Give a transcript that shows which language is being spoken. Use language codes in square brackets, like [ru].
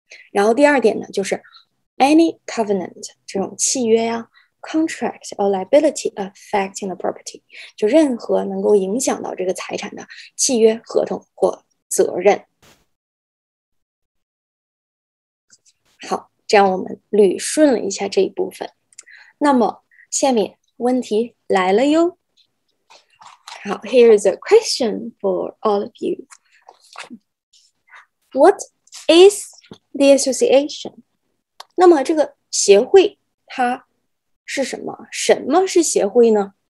[zh] 然后第二点呢，就是 [en] any covenant [zh] 这种契约呀 ， [en] contract or liability affecting the property， [zh] 就任何能够影响到这个财产的契约、合同或责任。好。这样我们捋顺了一下这一部分，那么下面问题来了哟。 [en] 好 ，Here is a question for all of you. What is the association? [zh] 那么这个协会它是什么？什么是协会呢？